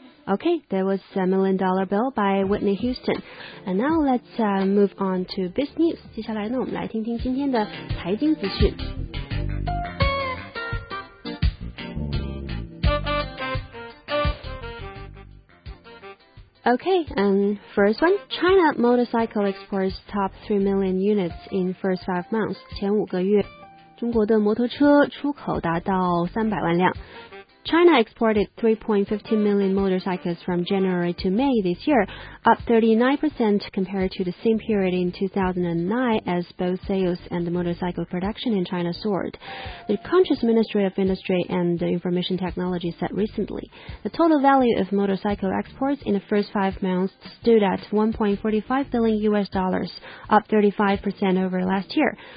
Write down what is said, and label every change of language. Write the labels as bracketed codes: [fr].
[en] Okay, that was $1 million bill by Whitney Houston. And now let's move on to biz news. [zh] 接下来呢，我们来听听今天的财经资讯。 [en] Okay, and first one, China motorcycle exports top 3 million units in first 5 months, [zh] 前五个月。中国的摩托车出口达到300万辆。 [en] China exported 3.15 million motorcycles from January to May this year, up 39% compared to the same period in 2009 as both sales and the motorcycle production in China soared. The country's Ministry of Industry and Information Technology said recently, the total value of motorcycle exports in the first 5 months stood at $1.45 billion, up 35% over last year.